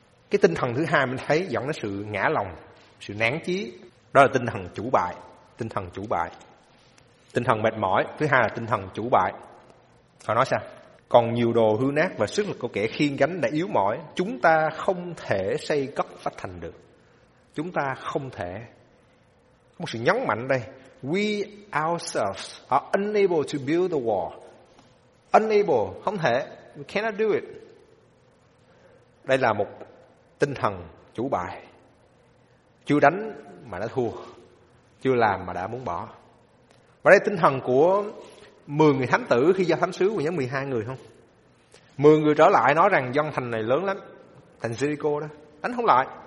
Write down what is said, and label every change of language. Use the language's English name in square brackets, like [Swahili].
[Vietnamese] Cái tinh thần thứ hai mình thấy dẫn đến sự ngã lòng, sự nản chí, đó là tinh thần chủ bại. Tinh thần chủ bại, tinh thần mệt mỏi, thứ hai là tinh thần chủ bại. Họ nói sao? Còn nhiều đồ hư nát và sức lực của kẻ khiêng gánh đã yếu mỏi, chúng ta không thể xây cất vách thành được. Chúng ta không thể. Có một sự nhấn mạnh đây. [English] We ourselves are unable to build the wall. Unable, [Vietnamese] không thể. [English] We cannot do it. [Vietnamese] Đây là một tinh thần chủ bại. Chưa đánh mà đã thua, chưa làm mà đã muốn bỏ. Và đây tinh thần của 10 người thám tử khi giao thám sứ của nhóm 12 người không? 10 người trở lại nói rằng dân thành này lớn lắm, thành Jericho đó, đánh không lại.